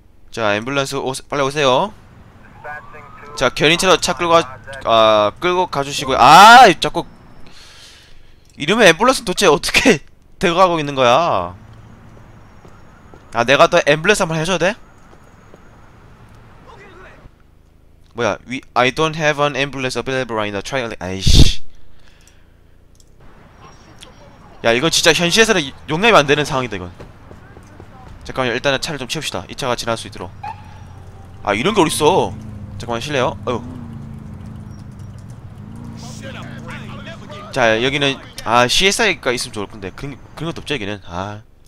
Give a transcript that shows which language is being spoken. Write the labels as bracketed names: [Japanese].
[Korean] 자 앰뷸런스 빨리 오세요. 자 견인차로 차 끌고 끌고 가주시고요. 아 자꾸 이름에 앰뷸런스 도대체 어떻게 대가하고 있는 거야. 아 내가 더 앰뷸런스 한번 해줘야 돼? 뭐야 [English] I don't have an ambulance available right now. [Korean] Try 아이씨. 야 이거 진짜 현실에서는 용납이 안 되는 상황이다 이건. 잠깐만 일단은 차를 좀 치웁시다. 이 차가 지날 수 있도록. 아 이런 게 어딨어. 잠깐만 실례요. 어휴. 자 여기는 아 CSI가 있으면 좋을 건데 그런 것도 없죠 여기는. 아